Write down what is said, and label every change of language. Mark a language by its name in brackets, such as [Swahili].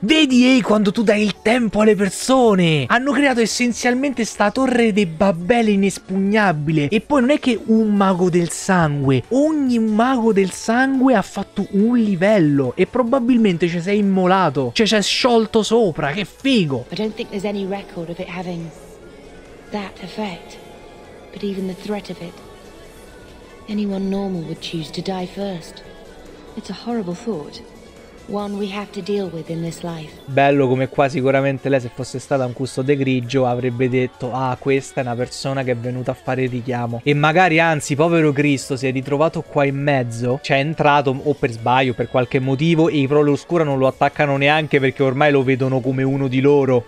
[Italian] Vedi, quando tu dai il tempo alle persone! Hanno creato essenzialmente sta torre dei Babele inespugnabile. E poi non è che un mago del sangue. Ogni mago del sangue ha fatto un livello e probabilmente ci sei immolato, ci sei sciolto sopra, che figo! [English] I don't think there's any record of it having that effect, but even the threat of it, anyone normal would choose to die first. It's a horrible thought. One we have to deal with in this life. [Italian] Bello come qua sicuramente lei, se fosse stata un custode grigio, avrebbe detto: ah, questa è una persona che è venuta a fare il richiamo. E magari, anzi, povero Cristo, si è ritrovato qua in mezzo. C'è entrato, o per sbaglio, per qualche motivo, e i prole oscura non lo attaccano neanche, perché ormai lo vedono come uno di loro.